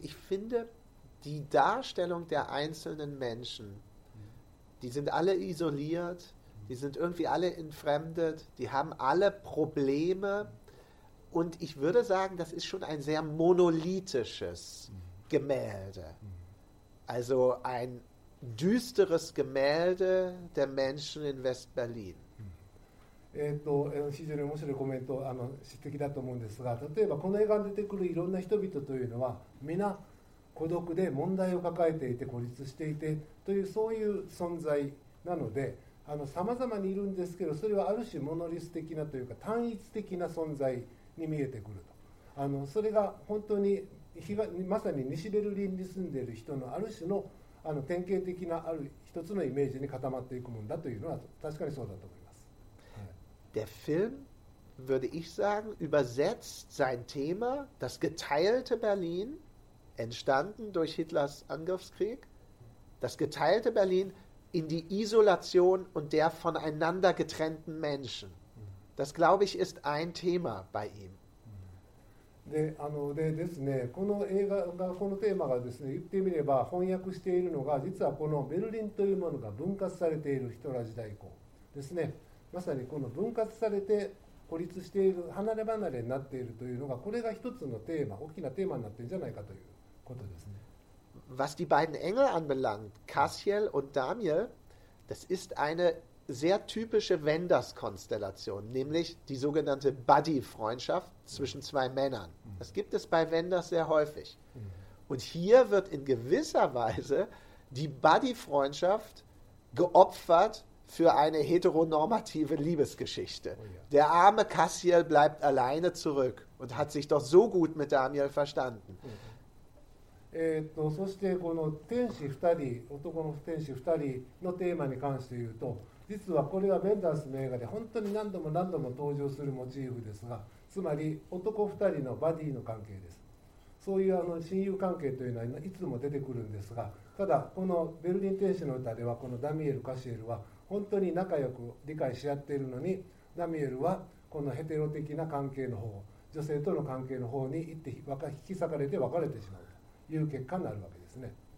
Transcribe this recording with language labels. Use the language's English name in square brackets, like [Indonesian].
[German] Ich finde, die Darstellung der einzelnen Menschen, die sind alle isoliert, die sind irgendwie alle entfremdet, die haben alle Probleme. Und ich würde sagen, das ist schon ein sehr monolithisches Gemälde. Also ein düsteres Gemälde der Menschen in West-Berlin. [Japanese] 非常に面白いコメントを指摘だと思うんですが、例えばこの映画に出てくるいろんな人々というのは皆孤独で問題を抱えていて孤立していてというそういう存在なので、さまざまにいるんですけど、それはある種モノリス的なというか単一的な存在に見えてくると、それが本当にまさに西ベルリンに住んでいる人のある種 の典型的なある一つのイメージに固まっていくものだというのは確かにそうだと思います。 [German] Der Film, würde ich sagen, übersetzt sein Thema, das geteilte Berlin, entstanden durch Hitlers Angriffskrieg, das geteilte Berlin in die Isolation und der voneinander getrennten Menschen. Das, glaube ich, ist ein Thema bei ihm. [Japanese] で、このテーマが分割されている人たち代行ですね。まさにこの分割されて孤立している離れ離れになっているというのが、これが一つのテーマ、大きなテーマになっているんじゃないかということですね。 [German] Was die beiden Engel anbelangt, Kassiel und Daniel, das ist eine sehr typische Wenders-Konstellation, nämlich die sogenannte Buddy-Freundschaft zwischen zwei Männern. Das gibt es bei Wenders sehr häufig. Und hier wird in gewisser Weise die Buddy-Freundschaft geopfert für eine heteronormative Liebesgeschichte. Der arme Kassiel bleibt alleine zurück und hat sich doch so gut mit Daniel verstanden. [Japanese] 実はこれはベンダース名画で本当に何度も何度も登場するモチーフですが、つまり男2人のバディの関係です。そういう親友関係というのはいつも出てくるんですが、ただこのベルリン天使の歌ではこのダミエル・カシエルは本当に仲良く理解し合っているのに、ダミエルはこのヘテロ的な関係の方、女性との関係の方に行って引き裂かれて別れてしまうという結果になるわけですね。